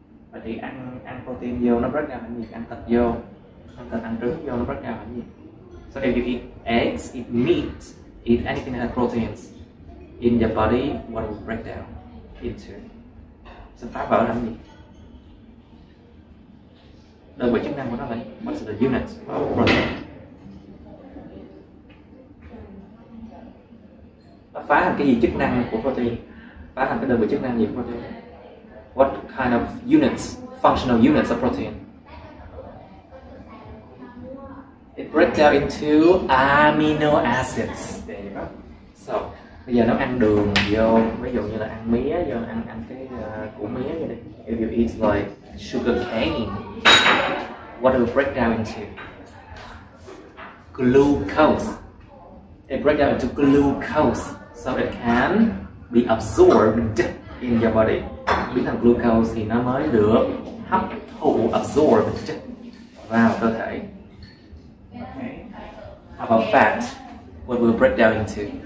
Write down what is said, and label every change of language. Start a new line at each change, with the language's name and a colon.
Vietnamese: Vậy thì ăn protein vô nó break down hẳn nhiệt, ăn thịt vô, ăn thịt ăn trứng vô nó break down hẳn nhiệt.
English: So if you eat eggs, eat meat, eat anything that has proteins in your body, what will break down into?
Vietnamese: So phá vỡ hẳn nhiệt. Đơn vị chức năng của nó là
English: what's the unit of protein?
Vietnamese: Nó phá thành cái gì chức năng của protein? Phá thành cái đơn vị chức năng gì của protein?
English: What kind of units, functional units of protein? It breaks down into amino acids.
Vietnamese: So, bây giờ nó ăn đường vô, ví dụ như là ăn mía vô, ăn cái củ mía vô đi.
English: If you eat like sugar cane, what it will break down into? Glucose. It breaks down into glucose. So it can be absorbed in your body.
Vietnamese: Biến thành glucose thì nó mới được hấp thụ, absorbed vào cơ thể.
English: Okay. How about fat? What will break down into?